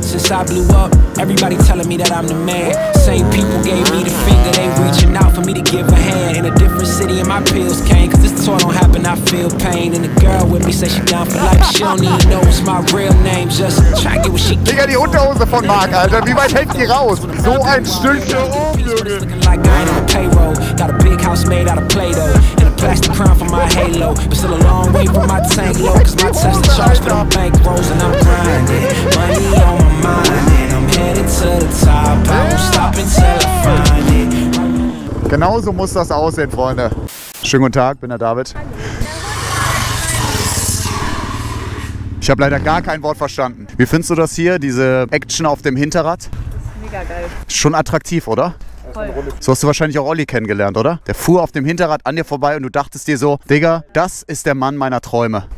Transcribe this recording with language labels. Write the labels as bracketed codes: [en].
[en] I blew up, everybody telling me that I'm the man. Same people gave me the finger, they reaching out for me to give a hand. In a different city and my pills came, cause this tour don't happen, I feel pain. And the girl with me say she down for life, she don't need to know it's my real name. Just try to get what she [de] Digga, die Unterhose von Marc, Alter, wie weit hält die raus? So ein Stück hier oben, Junge. [en] Like I ain't on payroll, got a big house made out of Play-Doh. Plastic crown for my halo, but still a long way from my tank low. Cause my Tesla charged for the bank rolls and I'm grinding. Money on my mind and I'm headed to the top. I won't stop until I find it. [de] Genau so muss das aussehen, Freunde. Schönen guten Tag, bin der David. Ich habe leider gar kein Wort verstanden. Wie findest du das hier, diese Action auf dem Hinterrad? Das ist mega geil. Schon attraktiv, oder? So hast du wahrscheinlich auch Olli kennengelernt, oder? Der fuhr auf dem Hinterrad an dir vorbei und du dachtest dir so, Digga, das ist der Mann meiner Träume.